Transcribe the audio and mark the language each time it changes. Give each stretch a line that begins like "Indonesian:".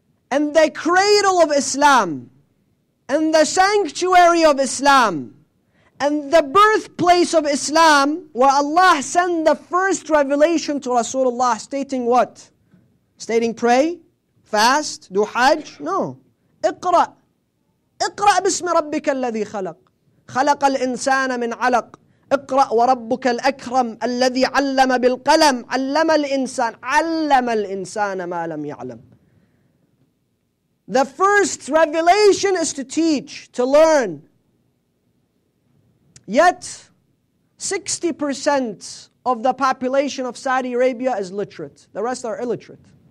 English: In the cradle of Islam, in the sanctuary of Islam, and the birthplace of Islam, where Allah sent the first revelation to Rasulullah, stating what? Stating pray, fast, do hajj?
Arabic: No. Iqra. Iqra bismi rabbika alladhi khalaq. خلق الإنسان من علق اقرأ وربك الأكرم الذي علم بالقلم علم الإنسان ما لم يعلم.
English: The first revelation is to teach, to learn. Yet 60% of the population of Saudi Arabia is literate. The rest are illiterate.